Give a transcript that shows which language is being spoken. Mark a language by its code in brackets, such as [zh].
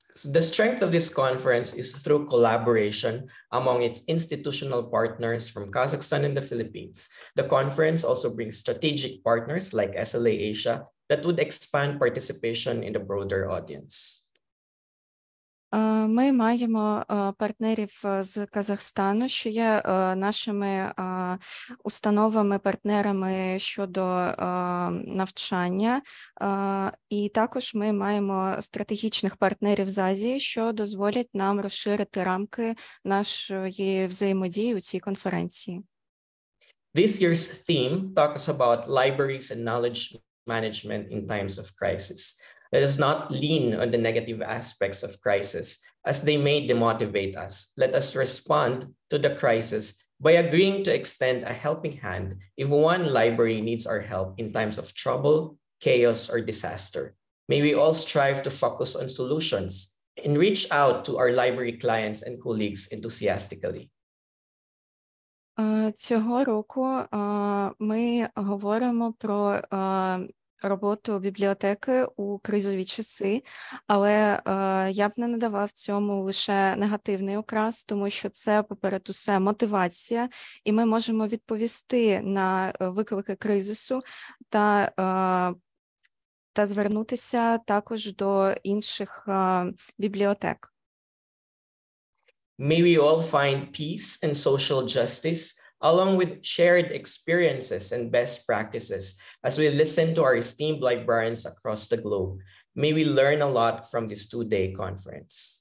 [en] So the strength of this conference is through collaboration among its institutional partners from Kazakhstan and the Philippines. The conference also brings strategic partners like SLA Asia that would expand participation in the broader audience. [uk] Ми маємо партнерів з Казахстану, що є нашими установами-партнерами щодо навчання. І також ми маємо стратегічних партнерів з Азії, що дозволять нам розширити рамки нашої взаємодії у цій конференції. [en] This year's theme talks about libraries and knowledge management in times of crisis. Let us not lean on the negative aspects of crisis, as they may demotivate us. Let us respond to the crisis by agreeing to extend a helping hand if one library needs our help in times of trouble, chaos, or disaster. May we all strive to focus on solutions and reach out to our library clients and colleagues enthusiastically. [uk] Цього року ми говоримо про роботу бібліотеки у кризові часи, але я б не надавав цьому лише негативний окрас, тому що це, поперед усе, мотивація, і ми можемо відповісти на виклики кризису та звернутися також до інших бібліотек. [en] May we all find peace and social justice along with shared experiences and best practices as we listen to our esteemed librarians across the globe. May we learn a lot from this two-day conference.